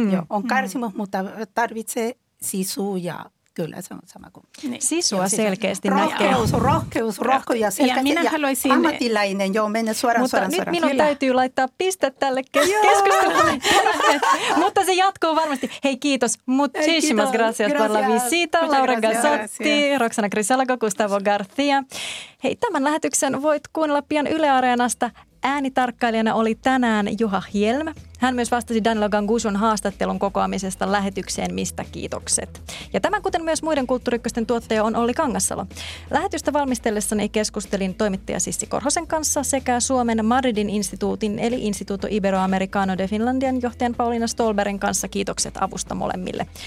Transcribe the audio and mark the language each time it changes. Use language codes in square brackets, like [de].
[fi] On karsimus, mutta tarvitsee sisua ja kyllä se on sama kuin. Niin. Sisua selkeästi näkee. Rohkeus. Ja minä haluaisin. Ammatilainen, joo, mennä suoraan. Minun täytyy laittaa piste tälle keskustelulle. Mutta se jatkuu varmasti. Hei, kiitos. [es] Muchísimas gracias por la visita. Laura Gazzotti, Roxana Grisalago, Gustavo García. [fi] Hei, tämän lähetyksen voit kuunnella pian Yle Areenasta. Äänitarkkailijana oli tänään Juha Hjelm. Hän myös vastasi Daniel Gangusun haastattelun kokoamisesta lähetykseen, mistä kiitokset. Ja tämän, kuten myös muiden Kulttuurykkösten tuottaja, on Olli Kangassalo. Lähetystä valmistellessani keskustelin toimittaja Sissi Korhosen kanssa sekä Suomen Madridin instituutin, eli Instituto Iberoamericano de Finlandian johtajan Pauliina Stolbergin kanssa kiitokset avusta molemmille.